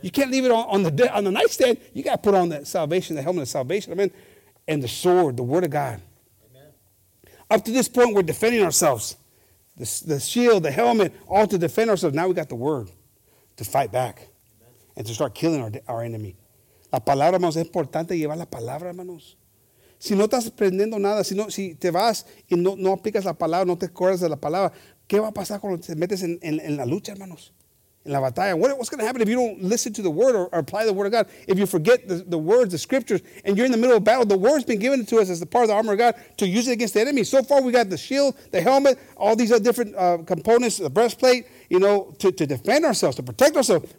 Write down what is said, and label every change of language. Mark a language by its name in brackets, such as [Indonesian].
[English] You can't leave it on the nightstand. You got to put on that salvation, the helmet of salvation. Amen. And the sword, the word of God. Amen. Up to this point, we're defending ourselves. The shield, the helmet, all to defend ourselves. Now we got the word to fight back. Amen. And to start killing our enemy. [Spanish] La palabra, hermanos, es importante llevar la palabra, hermanos. Si no estás aprendiendo nada, si te vas y no aplicas la palabra, no te acuerdas de la palabra, ¿qué va a pasar cuando te metes en la lucha, hermanos? En la batalla. [English] What's going to happen if you don't listen to the word or apply the word of God? If you forget the words, the scriptures, and you're in the middle of battle, the word's been given to us as the part of the armor of God to use it against the enemy. So far, we got the shield, the helmet, all these other different components, the breastplate, you know, to defend ourselves, to protect ourselves.